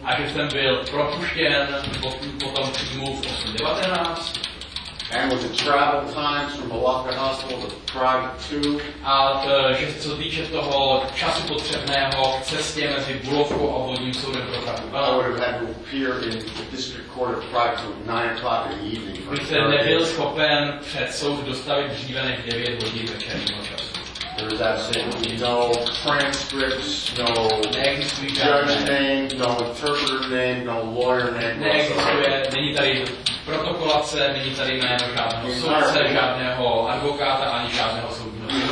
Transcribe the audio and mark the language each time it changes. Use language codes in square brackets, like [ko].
[cs] A že jsem byl propuštěn potom příjmu v 8:19. [en] And with the travel times from Olavka Hospital to Prague 2. [cs] A že co se týče toho času potřebného k cestě mezi Bulovkou a obvodním soudem pro Prahu 2. [en] I would have had to appear in the district court of Prague 2 at 9 o'clock in the evening. [cs] Bych se nebyl schopen před soud dostavit dříve než 9 hodin večerního času. [en] There is absolutely no transcripts, no judge name, no interpreter name, no lawyer name. [cs] Není tady protokolace, není tady jméno žádného soudce, žádného advokáta, ani žádného soudního.